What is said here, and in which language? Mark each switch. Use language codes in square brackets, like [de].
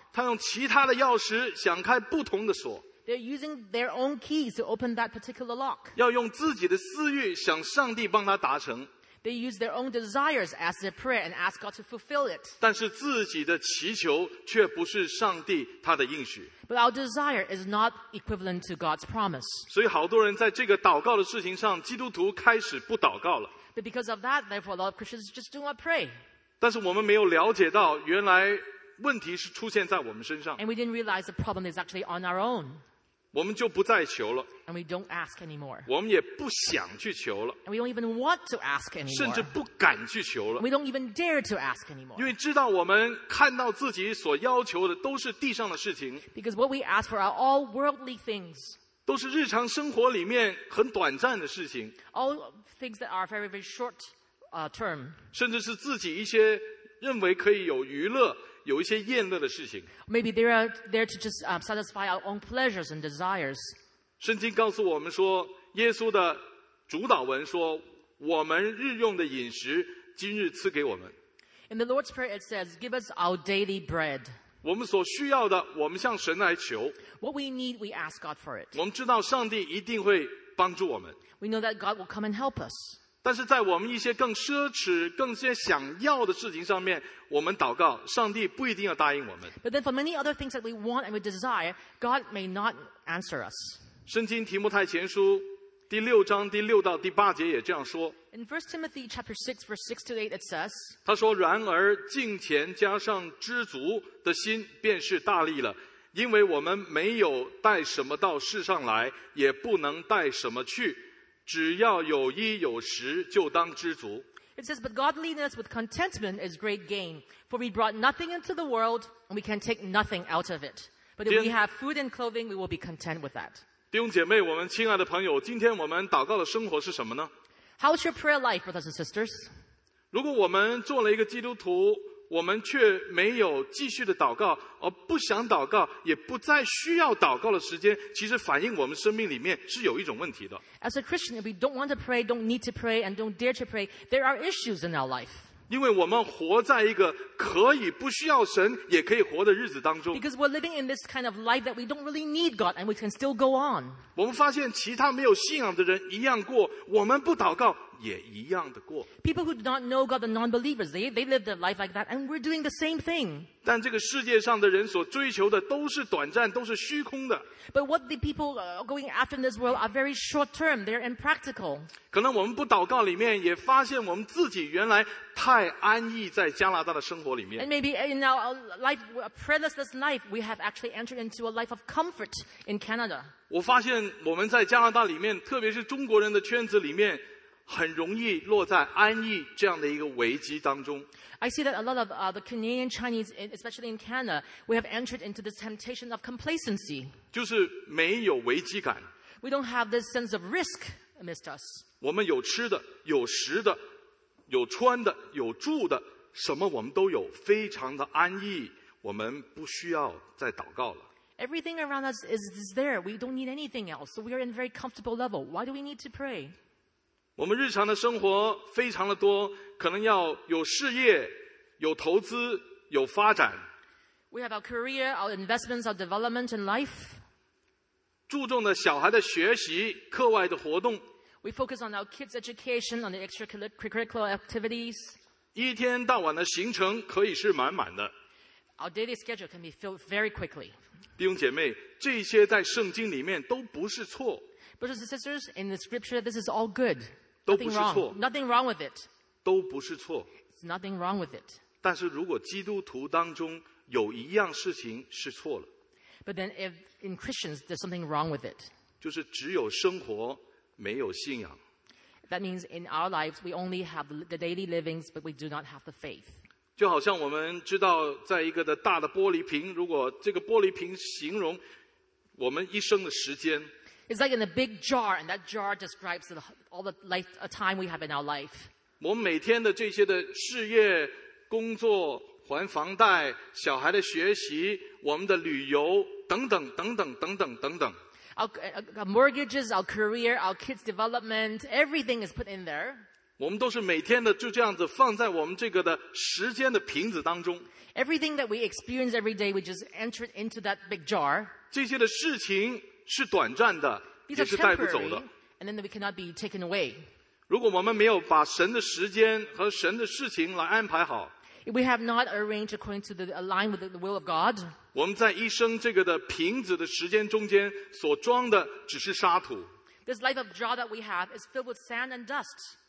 [zh] 他用其他的钥匙想开不同的锁。 [en] They're using their own keys to open that particular lock. [zh] 要用自己的私欲想上帝帮他达成。 [en] They use their own desires as their prayer and ask God to fulfill it. [zh] 但是自己的祈求却不是上帝他的应许。 [en] But our desire is not equivalent to God's promise. [zh] 所以好多人在这个祷告的事情上，基督徒开始不祷告了。 [en] But because of that, therefore, a lot of Christians just do not pray. [zh] 但是我们没有了解到原来问题是出现在我们身上。 [en] And we didn't realize the problem is actually on our own. [zh] 我们就不再求了。 [en] And we don't ask anymore. [zh] 我们也不想去求了。 [en] And we don't even want to ask anymore. [zh] 甚至不敢去求了。 [en] We don't even dare to ask anymore. [zh] 因为知道我们看到自己所要求的都是地上的事情。 [en] Because what we ask for are all worldly things. [zh] 都是日常生活里面很短暂的事情。 [en] All things that are very, very short term. [zh] 甚至是自己一些认为可以有娱乐有一些厌乐的事情。 [en] Maybe they are there to just satisfy our own pleasures and desires. [zh] 圣经告诉我们说，耶稣的主导文说，我们日用的饮食，今日赐给我们。 [en] In the Lord's Prayer it says, give us our daily bread. [zh] 我们所需要的，我们向神来求。 [en] What we need, we ask God for it. [zh] 我们知道上帝一定会帮助我们。 [en] We know that God will come and help us. [zh] 但是在我们一些更奢侈、更些想要的事情上面，我们祷告，上帝不一定要答应我们。 [en] But then for many other things that we want and we desire, God may not answer us. [zh] 圣经提摩太前书第六章第六到第八节也这样说。 [en] In 1 Timothy chapter 6, verse 6 to 8, it says, [zh] 他说，然而敬虔加上知足的心便是大力了，因为我们没有带什么到世上来，也不能带什么去。只要有衣有食，就当知足。 [en] It says, but godliness with contentment is great gain. For we brought nothing into the world, and we can take nothing out of it. But if we have food and clothing, we will be content with that. [zh] 弟兄姐妹，我们亲爱的朋友，今天我们祷告的生活是什么呢 [en] ？How's your prayer life, brothers and sisters? [zh] 如果我们做了一个基督徒，我们却没有继续的祷告，而不想祷告，也不再需要祷告的时间，其实反映我们生命里面是有一种问题的。 [en] As a Christian, if we don't want to pray, don't need to pray, and don't dare to pray, there are issues in our life. [zh] 因为我们活在一个可以不需要神也可以活的日子当中。 [en] Because we're living in this kind of life that we don't really need God, and we can still go on. [zh] 我们发现其他没有信仰的人一样过，我们不祷告，也一样的过。 [en] People who do not know God, the non-believers, they live their life like that, and we're doing the same thing. [zh] 但这个世界上的人所追求的都是短暂，都是虚空的。 [en] But what the people going after in this world are very short-term. They're impractical. [zh] 可能我们不祷告里面也发现我们自己原来太安逸在加拿大的生活里面。 [en] And maybe in our life, a prayerlessness life, we have actually entered into a life of comfort in Canada. [zh] 我发现我们在加拿大里面，特别是中国人的圈子里面，很容易落在安逸这样的一个危机当中。 [en] I see that a lot of the Canadian Chinese, especially in Canada, we have entered into this temptation of complacency. [zh] 就是没有危机感。 [en] We don't have this sense of risk amidst us. [zh] 我们有吃的，有食的，有穿的，有住的，什么我们都有，非常的安逸，我们不需要再祷告了。 [en] Everything around us is there. We don't need anything else. So we are in a very comfortable level. Why do we need to pray? [zh] 我们日常的生活非常的多，可能要有事业，有投资，有发展。 [en] We have our career, our investments, our development in life. [zh] 注重的小孩的学习，课外的活动。 [en] We focus on our kids' education, on the extracurricular activities. [zh] 一天到晚的行程可以是满满的。 [en] Our daily schedule can be filled very quickly. [zh] 弟兄姐妹，这些在圣经里面都不是错。 [en] Brothers and sisters, in the scripture, this is all good. [zh] 都不是错。 [en] Nothing wrong with it. [zh] 都不是错。 [en] It's nothing wrong with it. [zh] 但是如果基督徒当中有一样事情是错了。 [en] But then if in Christians, there's something wrong with it. [zh] 就是只有生活，没有信仰。 [en] That means in our lives, we only have the daily livings, but we do not have the faith. [zh] 就好像我们知道在一个的大的玻璃瓶，如果这个玻璃瓶形容我们一生的时间。 [en] It's like in a big jar, and that jar describes all the life, a time we have in our life. [zh] 我们每天的这些的事业、工作、还房贷、小孩的学习、我们的旅游等等等等等等等等。 [en] Our mortgages, our career, our kids' development, everything is put in there. [zh] 我们都是每天的就这样子放在我们这个的时间的瓶子当中。 [en] Everything that we experience every day, we just enter into that big jar. [zh] 这些的事情是短暂的，也是带不走的。 [en] And then we cannot be taken away. [zh] 如果我们没有把神的时间和神的事情来安排好， [en] If we have not arranged according to the align with the will of God, [zh] 我们在一生这个的瓶子的时间中间所装的只是沙土。 [en] This life of jar that we have is filled with sand and dust.